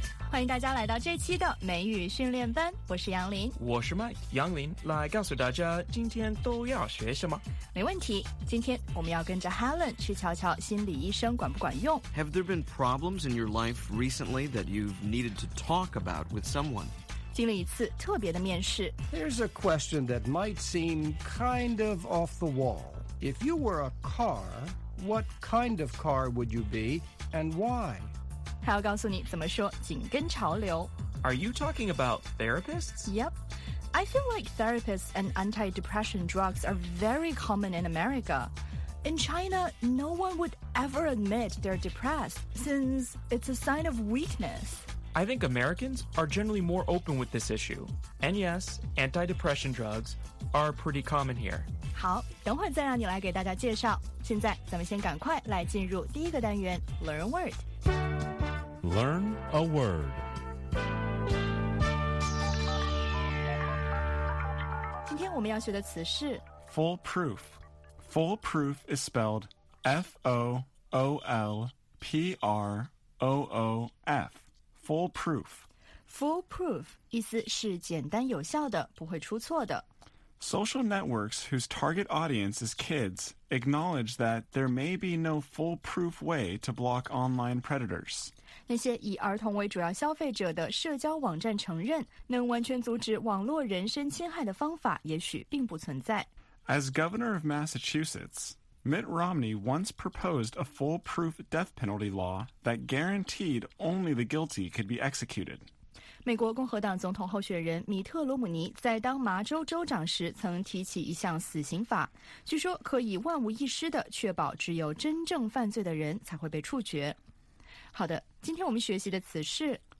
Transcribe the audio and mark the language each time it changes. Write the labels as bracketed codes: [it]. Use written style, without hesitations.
[zh] 欢迎大家来到这期的美语训练班，我是杨林，我是 Mike 杨林，来告诉大家今天都要学什么。没问题，今天我们要跟着 Helen 去瞧瞧心理医生管不管用。 [en] Have there been problems in your life recently that you've needed to talk about with someone? [zh] 经历一次特别的面试。 [en] Here's a question that might seem kind of off the wall. If you were a car, what kind of car would you be and why? [zh] 还要告诉你怎么说紧跟潮流。 [en] Are you talking about therapists? Yep. I feel like therapists and anti-depression drugs are very common in America. In China, no one would ever admit they're depressed since it's a sign of weakness. I think Americans are generally more open with this issue. And yes, anti-depression drugs are pretty common here. [zh] 好，等会再让你来给大家介绍。现在咱们先赶快来进入第一个单元 , [en] Learn a Word. Learn a Word. [zh] 今天我们要学的词是 [en] Foolproof. Foolproof is spelled F-O-O-L-P-R-O-O-F. Foolproof. [zh] Foolproof 意思是简单有效的，不会出错的。 [en] Social networks whose target audience is kids acknowledge that there may be no foolproof way to block online predators. [zh] 那些以儿童为主要消费者的社交网站承认，能完全阻止网络人身侵害的方法也许并不存在。 [en] As governor of Massachusetts,Mitt Romney once proposed a foolproof death penalty law that guaranteed only the guilty could be executed. [zh] 美国共和党总统候选人米特·罗姆尼在当麻州州长时曾提起一项死刑法，据说可以万无一失地确保只有真正犯罪的人才会被处决。好的，今天我们学习的词是